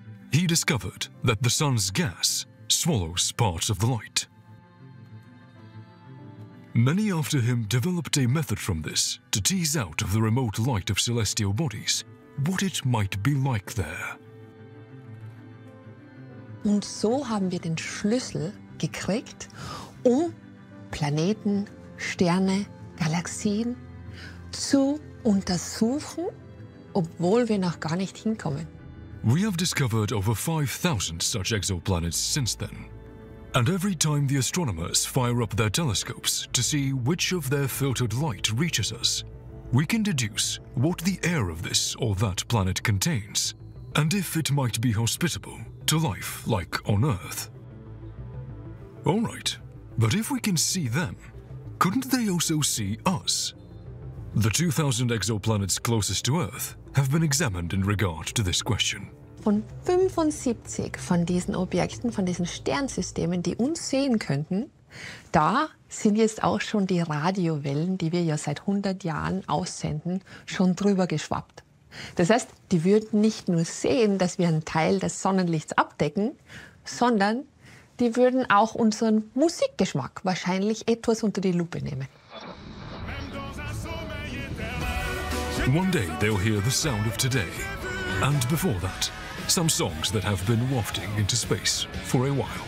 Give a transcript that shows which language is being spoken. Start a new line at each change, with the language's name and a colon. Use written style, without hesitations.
English: He discovered that the sun's gas swallows parts of the light. Many after him developed a method from this to tease out of the remote light of celestial bodies what it might be like there.
German: Und so haben wir den Schlüssel gekriegt, um Planeten, Sterne, Galaxien zu untersuchen, obwohl wir noch gar nicht hinkommen.
English: We have discovered over 5,000 such exoplanets since then. And every time the astronomers fire up their telescopes to see which of their filtered light reaches us, we can deduce what the air of this or that planet contains, and if it might be hospitable to life like on Earth. All right, but if we can see them, couldn't they also see us? The 2,000 exoplanets closest to Earth have been examined in regard to this question.
German: Und 75 von diesen Objekten, von diesen Sternsystemen, die uns sehen könnten, da sind jetzt auch schon die Radiowellen, die wir ja seit 100 Jahren aussenden, schon drüber geschwappt. Das heißt, die würden nicht nur sehen, dass wir einen Teil des Sonnenlichts abdecken, sondern die würden auch unseren Musikgeschmack wahrscheinlich etwas unter die Lupe nehmen.
English: One day they'll hear the sound of today. And before that, some songs that have been wafting into space for a while.